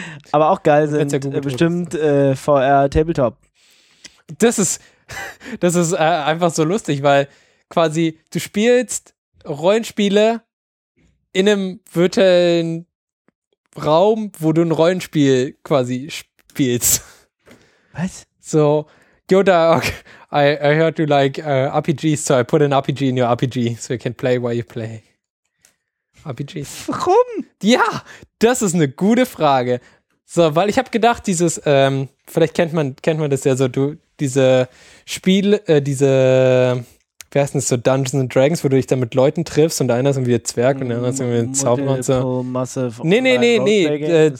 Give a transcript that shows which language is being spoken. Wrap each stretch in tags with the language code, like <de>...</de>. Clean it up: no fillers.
<de>Aber auch geil sind ja bestimmt VR Tabletop. Das ist einfach so lustig, weil quasi du spielst Rollenspiele in einem virtuellen Raum, wo du ein Rollenspiel quasi spielst. Was?</de> <en>So, Yoda, okay, I heard you like RPGs, so I put an RPG in your RPG, so you can play while you play. RPGs.</en> <de>Warum? Ja, das ist eine gute Frage. So, weil ich habe gedacht, dieses, vielleicht kennt man das ja so, du, diese Spiel, diese, wie heißt das, so Dungeons and Dragons, wo du dich dann mit Leuten triffst und einer ist irgendwie ein Zwerg und der andere ist irgendwie ein Zauberer und so. Nee,</de>